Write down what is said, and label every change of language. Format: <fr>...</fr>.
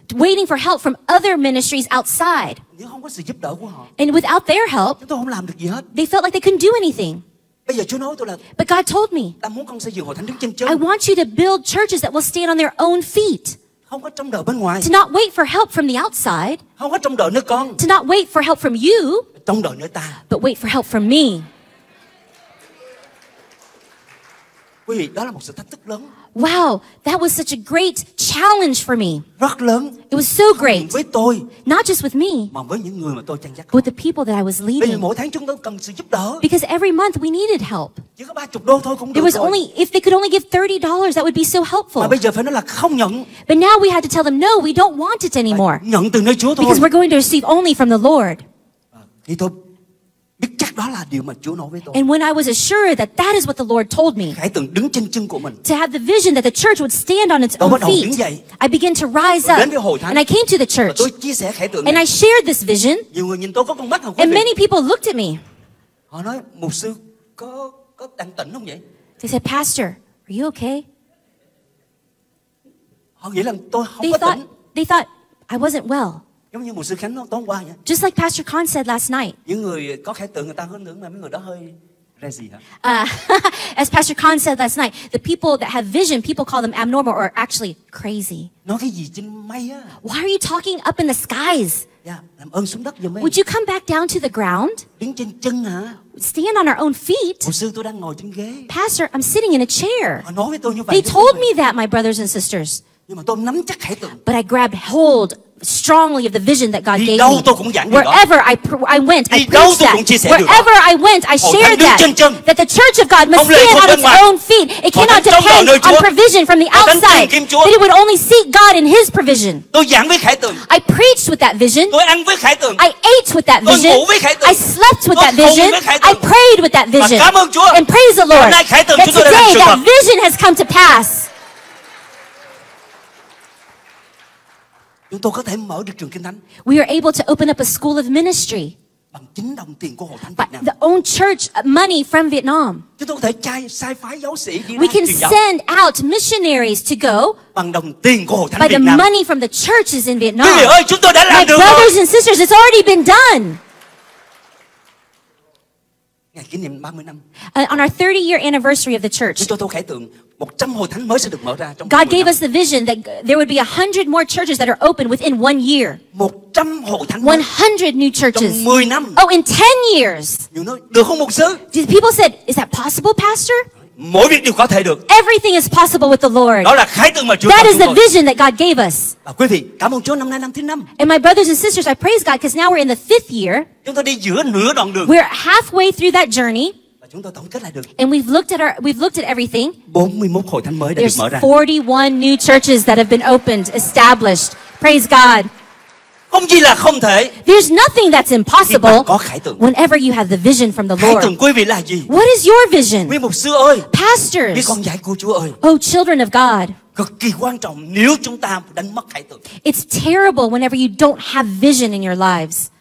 <en>Waiting for help from other ministries outside.</en> <vi>Nếu không có sự giúp đỡ của họ.</vi> <en>And without their help,</en> <vi>chúng tôi không làm được gì hết.</vi> <en>They felt like they couldn't do anything.</en> <vi>Bây giờ Chúa nói tôi là,</vi> <en>but God told me,</en> <vi>ta muốn con xây dựng hội thánh đứng trên chân.</vi> <en>I want you to build churches that will stand on their own feet.</en> <vi>Không có trông đợi bên ngoài.</vi> <en>To not wait for help from the outside.</en> <vi>Không có trông đợi nữa con.</vi> <en>To not wait for help from you.</en> <vi>Trông đợi nữa ta.</vi> <en>But wait for help from me.</en> <vi>Quý vị, đó là một sự thách thức lớn.</vi> <en>Wow, that was such a great challenge for me.</en> <vi>Rất lớn.</vi> <en>It was so great.</en> <vi>Với tôi.</vi> <en>Not just with me.</en> <vi>Mà với những người mà tôi chăn dắt.</vi> <en>With the people that I was leading.</en> <vi>Vì mỗi tháng chúng tôi cần sự giúp đỡ.</vi> <en>Because every month we needed help.</en> <vi>Chỉ có 30 đô thôi cũng được.</vi> <en>It was</en> <vi>rồi.</vi> <en>Only if they could only give $30, that would be so helpful.</en> <vi>Mà bây giờ phải nói là không nhận.</vi> <en>But now we had to tell them no, we don't want it anymore.</en> <vi>Nhận từ nơi Chúa thôi.</vi> <en>Because we're going to receive only from the Lord.</en> <vi>Thì tôi biết chắc đó là điều mà Chúa nói với tôi.</vi> <en>And when I was assured that that is what the Lord told me.</en> <vi>Khải Tường đứng trên chân của mình.</vi> <en>To have the vision that the church would stand on its own feet. I began to rise up. And I came to the church.</en> <vi>Tôi chia sẻ Khải Tường.</vi> <en>And I shared this vision.</en> <vi>Nhiều người nhìn tôi có con mắt không?</vi> <en>And many people looked at me.</en> <vi>Họ nói, mục sư có đang tỉnh không vậy?</vi> <en>They said, Pastor, are you okay?</en> <vi>Họ nghĩ là tôi không có tỉnh.</vi> <en>They thought I wasn't well.</en> <vi>Giống như mục sư Khánh nói tối qua nhỉ?</vi> <en>Just like Pastor Khan said last night.</en> <vi>Những người có khái tượng người ta hướng tưởng mà mấy người đó hơi crazy hả?</vi> <en>As Pastor Khan said last night, the people that have vision, people call them abnormal or actually crazy.</en> <vi>Nói cái gì trên mây á?</vi> <en>Why are you talking up in the skies?</en> <vi>Yeah, làm ơn xuống đất giùm em.</vi> <en>Would you come back down to the ground?</en> <vi>Đứng trên chân hả?</vi> <en>Stand on our own feet.</en> <vi>Mục sư tôi đang ngồi trên ghế.</vi> <en>Pastor, I'm sitting in a chair.</en> <vi>Họ nói với tôi như vậy.</vi> <en>They told me that, my brothers and sisters.</en> <vi>Nhưng mà tôi nắm chắc khái tượng.</vi> <en>But I grabbed hold strongly of the vision that God gave me. Wherever I went, I preached that. Wherever I went, I shared that. That the church of God must stand on its own feet. It cannot depend on provision from the outside. That it would only seek God in His provision. I preached with that vision. I ate with that vision. I slept with that vision. I prayed with that vision. And praise the Lord that today that vision has come to pass.</en> <vi>Chúng tôi có thể mở được trường kinh thánh.</vi> <en>We are able to open up a school of ministry.</en> <vi>Bằng chính đồng tiền của hội thánh</vi> <en>Việt Nam. The own church money from Vietnam.</en> <vi>Chúng tôi có thể sai phái giáo sĩ đi ra truyền giáo.</vi> <en>We can send out missionaries to go.</en> <vi>Bằng đồng tiền của hội thánh Việt Nam.</vi> <en>By the money from the churches in Vietnam.</en> <vi>Quý vị ơi, chúng tôi đã làm được.</vi> <en>My brothers and sisters, it's already been done.</en> <vi>Ngày kỷ niệm 30 năm.</vi> <en>On our 30-year anniversary of the church.</en> <vi>Chúng tôi khải tượng 100 hội thánh mới sẽ được mở ra trong 1 năm.</vi> <en>God gave us the vision that there would be 100 more churches that are open within 1 year.</en> <vi>100 hội thánh.</vi> <en>100 new churches.</en> <vi>Trong 10 năm.</vi> <en>Oh, in 10 years. You know,</en> <vi>được không mục sư?</vi> <en>Did people said, is that possible, pastor?</en> <vi>Mọi việc đều có thể được.</vi> <en>Everything is possible with the Lord.</en> <vi>Đó là khái tượng mà Chúa</vi> <en>that</en> <vi>cho</vi> <en>is the</en> <vi>tôi.</vi> <en>Vision that God gave us.</en> <vi>Và quý vị, cảm ơn Chúa, năm nay năm thứ năm.</vi> <en>And my brothers and sisters, I praise God because now we're in the 5th year.</en> <vi>Chúng ta đi giữa nửa đoạn đường.</vi> <en>We're halfway through that journey.</en> <vi>Chúng tôi tổng kết lại được.</vi> <en>And we've looked at everything.</en> <vi>41 hội thánh mới đã</vi> <en>There's</en> <vi>được mở ra.</vi> <en>41 new churches that have been opened, established. Praise God.</en> <vi>Không gì là không thể.</vi> <en>There's nothing that's impossible.</en> <vi>Có khải tượng.</vi> <en>Whenever you have the vision from the</en> <vi>khải</vi> <en>Lord.</en> <vi>Khải tượng quý vị là gì?</vi> <en>What is your vision?</en> <vi>Quý mục sư ơi.</vi> <en>Pastors.</en> <vi>Quý con dạy của Chúa ơi.</vi> <en>Oh, children of God.</en> <vi>Cực kỳ quan trọng nếu chúng ta đánh mất khải tượng.</vi> <en>It's terrible whenever you don't have vision in your lives.</en>